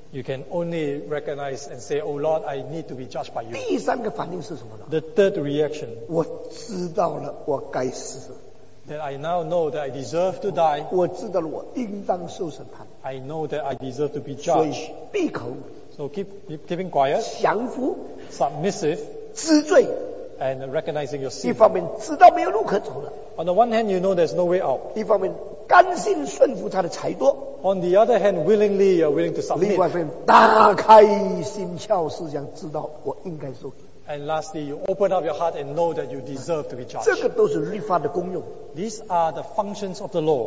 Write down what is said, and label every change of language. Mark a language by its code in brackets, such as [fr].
[en] You can only recognize and say, Oh Lord, I need to be judged by you. [zh] 第三个反应是什么呢? [en] The third reaction. [zh] 我知道了，我该死。 [en] That I now know that I deserve to die. [zh] 我知道了，我应当受审判。 [en] I know that I deserve to be judged. [zh] 所以闭口, [en] so keeping quiet. [zh] 降服, [en] submissive. [zh] 知罪, [en] and recognizing your sin. [zh] 一方面知道没有路可走了, [en] on the one hand, you know there's no way out. [zh] 一方面, 甘心顺服他的财多。 [en] On the other hand, willingly you're willing to submit. [zh] 另外一方面，打开心窍，是想知道我应该受。 [en] And lastly, you open up your heart and know that you deserve to be judged. [zh] 这个都是律法的功用。 [en] These are the functions of the law.